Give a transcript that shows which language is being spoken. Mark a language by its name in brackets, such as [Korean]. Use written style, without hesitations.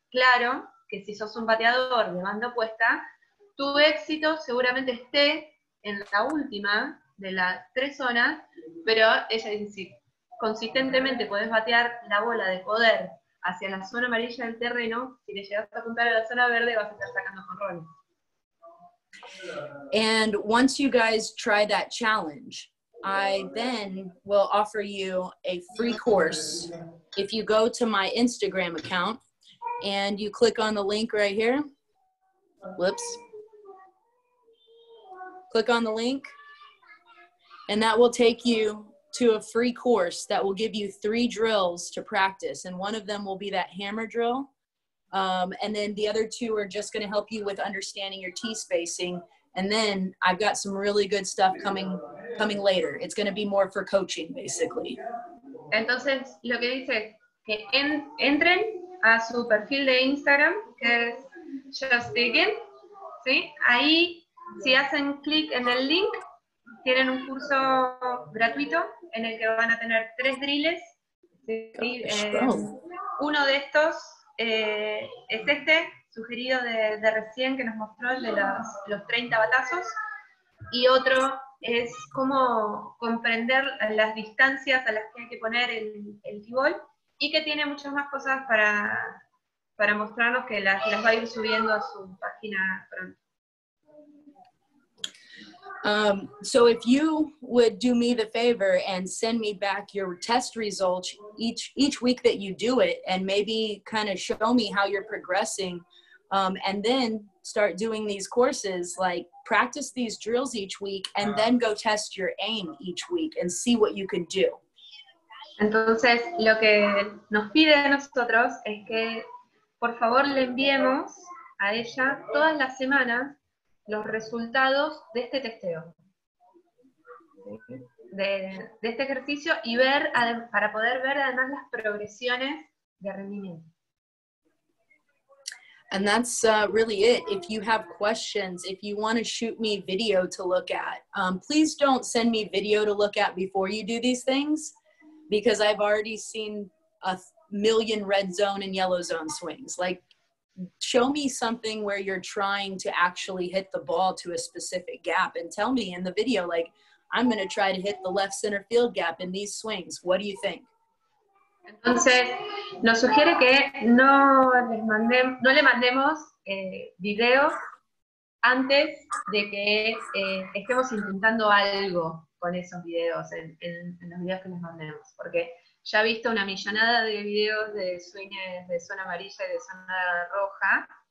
[Spanish] Claro que si sos un bateador de banda opuesta, tu éxito seguramente esté en la última de las tres zonas, pero ella dice, consistentemente podés batear la bola de poder hacia la zona amarilla del terreno, si le llegas a apuntar a la zona verde vas a estar sacando jonrones. [English] And once you guys try that challenge, I then will offer you a free course. If you go to my Instagram account and you click on the link right here, whoops, click on the link, and that will take you to a free course that will give you 3 drills to practice. And one of them will be that hammer drill. And then the other 2 are just going to help you with understanding your tee spacing. And then I've got some really good stuff coming later. It's going to be more for coaching, basically. [Spanish] Entonces, lo que dice, que entren a su perfil de Instagram, que es Just Digging, ¿sí? Ahí, si hacen click en el link, tienen un curso gratuito en el que van a tener tres drills. ¿Sí? Uno de estos es este, sugerido de recién, que nos mostró el de los 30 batazos. Y otro es cómo comprender las distancias a las que hay que poner el t-ball, y que tiene muchas más cosas para mostrarnos, que las va a ir subiendo a su página pronto. [English] So if you would do me the favor and send me back your test results each week that you do it, and maybe kind of show me how you're progressing, and then start doing these courses, like practice these drills each week, and then go test your aim each week and see what you can do. [Spanish] Entonces, lo que nos pide a nosotros es que, por favor, le enviemos a ella todas las semanas los resultados de este testeo, de este ejercicio, y ver, para poder ver además las progresiones de rendimiento. [English] And that's really it. If you have questions, if you want to shoot me video to look at, please don't send me video to look at before you do these things, because I've already seen a million red zone and yellow zone swings. Like, show me something where you're trying to actually hit the ball to a specific gap and tell me in the video, like, I'm going to try to hit the left center field gap in these swings. What do you think? [Spanish] Entonces, nos sugiere que no le mandemos video antes de que estemos intentando algo con esos videos, en los videos que nos mandemos, porque ya ha visto una millonada de videos de swings de zona amarilla y de zona roja,